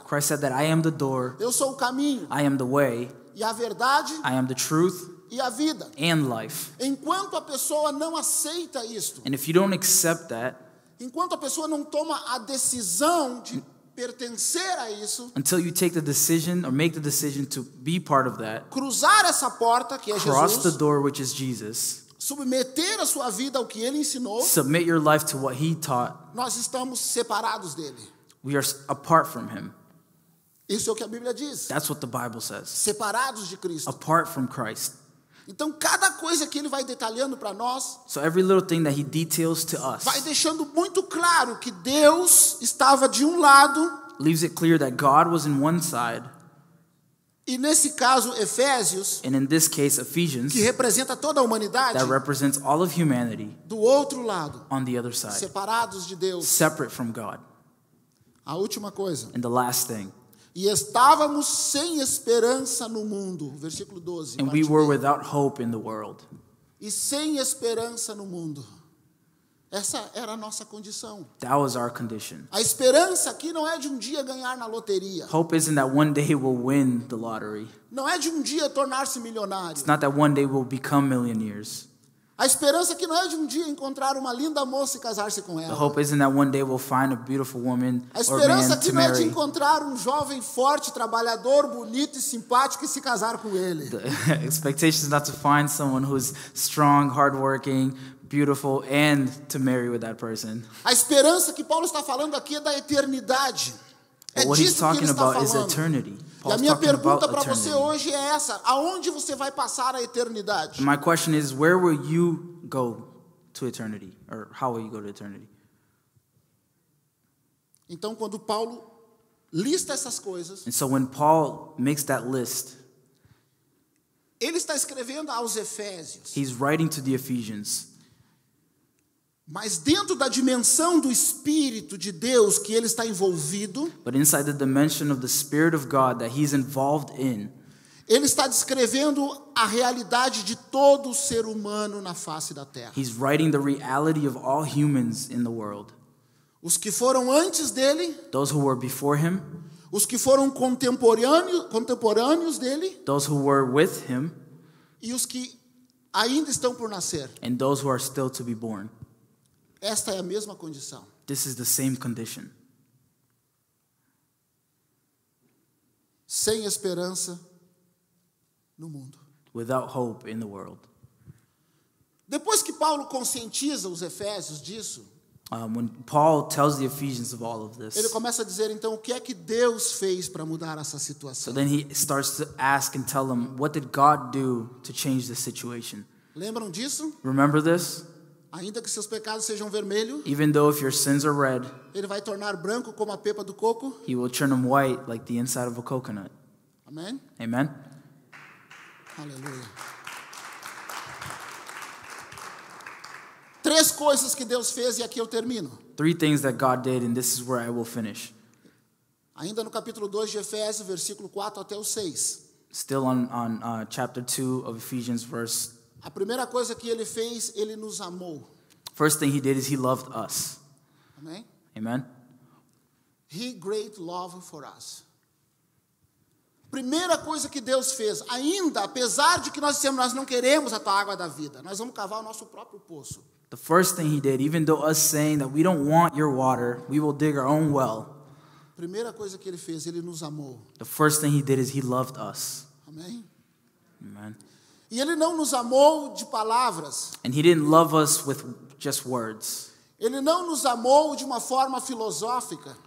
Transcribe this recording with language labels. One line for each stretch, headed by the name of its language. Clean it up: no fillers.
English: Christ said that I am the door.
Portuguese: Eu sou o caminho.
English: I am the way.
Portuguese: E a verdade.
English: I am the truth.
Portuguese: E a vida.
English: And life.
Portuguese: Enquanto a pessoa não aceita isto.
English: And if you don't accept that.
Portuguese: Enquanto a pessoa não toma a decisão de pertencer a isso,
English: until you take the decision or make the decision to be part of that,
Portuguese: cruzar essa porta, que é
English: cross
Portuguese: Jesus,
English: the door which is Jesus,
Portuguese: submeter a sua vida ao que ele ensinou,
English: submit your life to what he taught,
Portuguese: nós estamos separados dele.
English: We are apart from him.
Portuguese: Isso é o que a Bíblia diz.
English: That's what the Bible says.
Portuguese: Separados de Cristo.
English: Apart from Christ.
Portuguese: Então cada coisa que ele vai detalhando para nós,
English: so every little thing that he details to us,
Portuguese: vai deixando muito claro que Deus estava de um lado,
English: leaves it clear that God was in one side,
Portuguese: e nesse caso Efésios,
English: and in this case Ephesians,
Portuguese: que representa toda a humanidade,
English: that represents all of humanity,
Portuguese: do outro lado,
English: on the other side,
Portuguese: separados de Deus,
English: separate from God.
Portuguese: A última coisa,
English: and the last thing.
Portuguese: E estávamos sem esperança no mundo. Versículo 12.
English: And we were without hope in the world.
Portuguese: E sem esperança no mundo. Essa era a nossa condição.
English: That was our condition.
Portuguese: A esperança aqui não é de um dia ganhar na loteria.
English: Hope isn't that one day we'll win the lottery.
Portuguese: Não é de um dia tornar-se milionário.
English: It's not that one day we'll become millionaires.
Portuguese: A esperança que não é de um dia encontrar uma linda moça e casar-se com ela.
English: The hope isn't that one day we'll find a beautiful woman or man to marry.
Portuguese: A esperança que não é de encontrar um jovem forte, trabalhador, bonito e simpático e se casar com ele.
English: The expectation is not to find someone who's strong, hardworking, beautiful, and to marry with that person.
Portuguese: A esperança que Paulo está falando aqui é da eternidade.
English: What he's talking about is eternity.
Portuguese: E a minha pergunta para você hoje é essa: aonde você vai passar a eternidade?
English: My question is, where will you go to eternity, or how will you go to eternity?
Portuguese: Então, quando Paulo lista essas coisas,
English: and so when Paul makes that list,
Portuguese: ele está escrevendo aos Efésios.
English: He's writing to the Ephesians.
Portuguese: Mas dentro da dimensão do Espírito de Deus que ele está envolvido,
English: but inside the dimension of the Spirit of God that he's involved in,
Portuguese: ele está descrevendo a realidade de todo ser humano na face da Terra.
English: He's writing the reality of all humans in the world.
Portuguese: Os que foram antes dele,
English: those who were before him,
Portuguese: os que foram contemporâneos dele,
English: those who were with him,
Portuguese: e os que ainda estão por nascer,
English: and those who are still to be born.
Portuguese: Esta é a mesma condição.
English: This is the same condition.
Portuguese: Sem esperança no mundo.
English: Without hope in the world.
Portuguese: Depois que Paulo conscientiza os Efésios disso,
English: When Paul tells the Ephesians of all of this,
Portuguese: ele começa a dizer então o que é que Deus fez para mudar essa situação.
English: So then he starts to ask and tell them, what did God do to change the situation?
Portuguese: Lembram disso?
English: Remember this?
Portuguese: Ainda que seus pecados sejam vermelhos,
English: even though if your sins are red,
Portuguese: ele vai tornar branco como a pepa do coco.
English: He will turn them white like the inside of a coconut. Amen. Amen.
Portuguese: Aleluia. Três coisas que Deus fez e aqui eu termino.
English: Three things that God did and this is where I will finish.
Portuguese: Ainda no capítulo 2 de Efésios, versículo 4 até o 6.
English: Still on chapter 2 of Ephesians verse.
Portuguese: A primeira coisa que ele fez, ele nos amou.
English: First thing he did is he loved us.
Portuguese: Amém?
English: Amen. He great love for us.
Portuguese: Primeira coisa que Deus fez, ainda apesar de que nós dissemos nós não queremos a tua água da vida, nós vamos cavar o nosso próprio poço.
English: The first thing he did, even though us saying that we don't want your water, we will dig our own well.
Portuguese: Primeira coisa que ele fez, ele nos amou.
English: The first thing he did is he loved us.
Portuguese: Amém.
English: Amen.
Portuguese: E ele não nos amou de palavras.
English: And he didn't love us with just words.
Portuguese: Ele não nos amou de uma forma filosófica.